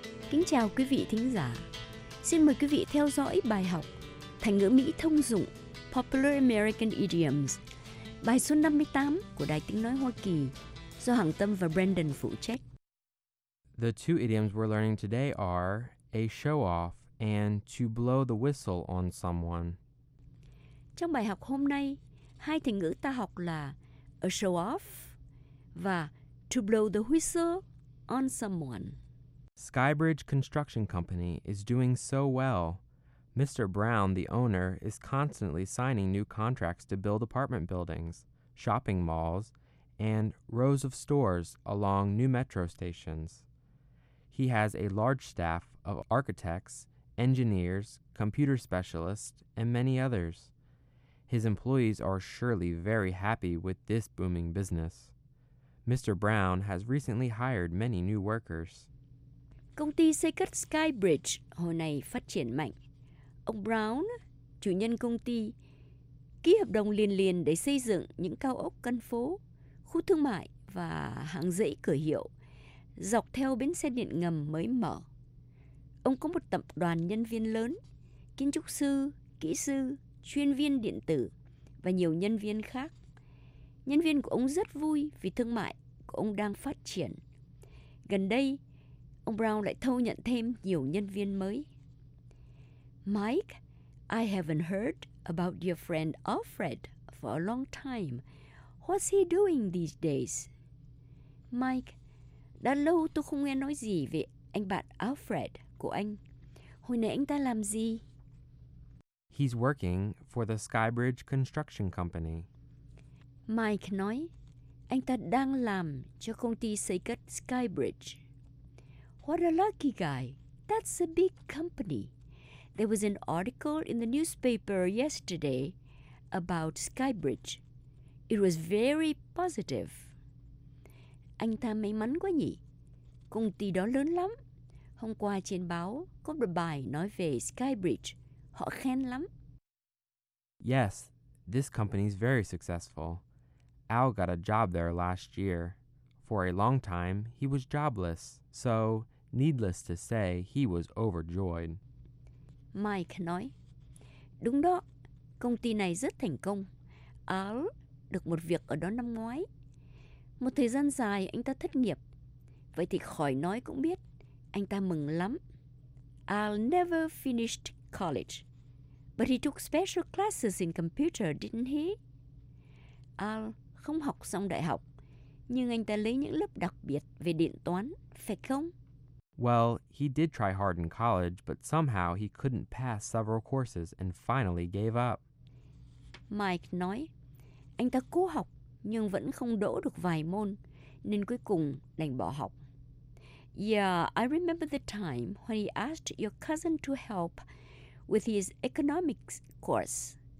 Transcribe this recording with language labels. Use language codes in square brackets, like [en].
[vi] Kính chào quý vị thính giả. Xin mời quý vị theo dõi bài học thành ngữ Mỹ thông dụng Popular American Idioms, bài số 58 của Đài Tiếng Nói Hoa Kỳ, do Hằng Tâm và Brandon phụ trách. [en] The two idioms we're learning today are a show-off and to blow the whistle on someone. [vi] Trong bài học hôm nay, hai thành ngữ ta học là [en] a show-off [vi] và [en] to blow the whistle on someone. Skybridge Construction Company is doing so well. Mr. Brown, the owner, is constantly signing new contracts to build apartment buildings, shopping malls, and rows of stores along new metro stations. He has a large staff of architects, engineers, computer specialists, and many others. His employees are surely very happy with this booming business. Mr. Brown has recently hired many new workers. [vi] Công ty xây cất Skybridge hồi này phát triển mạnh. Ông Brown, chủ nhân công ty, ký hợp đồng liền liền để xây dựng những cao ốc căn phố, khu thương mại và hàng dãy cửa hiệu dọc theo bến xe điện ngầm mới mở. Ông có một tập đoàn nhân viên lớn, kiến trúc sư, kỹ sư, chuyên viên điện tử và nhiều nhân viên khác. Nhân viên của ông rất vui vì thương mại của ông đang phát triển. Gần đây, ông Brown lại thâu nhận thêm nhiều nhân viên mới. [en] Mike, I haven't heard about your friend Alfred for a long time. What's he doing these days? [vi] Mike, đã lâu tôi không nghe nói gì về anh bạn Alfred của anh. Hồi nãy anh ta làm gì? [en] He's working for the Skybridge Construction Company. [vi] Mike nói, anh ta đang làm cho công ty xây cất Skybridge. [en] What a lucky guy. That's a big company. There was an article in the newspaper yesterday about Skybridge. It was very positive. [vi] Anh ta may mắn quá nhỉ? Công ty đó lớn lắm. Hôm qua trên báo có một bài nói về Skybridge. Họ khen lắm. [en] Yes, this company is very successful. Al got a job there last year. For a long time, he was jobless. So, needless to say, he was overjoyed. [vi] Mike nói, đúng đó, công ty này rất thành công. Al được một việc ở đó năm ngoái. Một thời gian dài anh ta thất nghiệp. Vậy thì khỏi nói cũng biết, anh ta mừng lắm. [en] Al never finished college, but he took special classes in computer, didn't he? [vi] Al không học xong đại học, nhưng anh ta lấy những lớp đặc biệt về điện toán, phải không? [en] Well, he did try hard in college, but somehow he couldn't pass several courses and finally gave up. [vi] Mike nói, anh ta cố học nhưng vẫn không đỗ được vài môn, nên cuối cùng đành bỏ học. [en] Yeah, I remember the time when he asked your cousin to help with his economics course.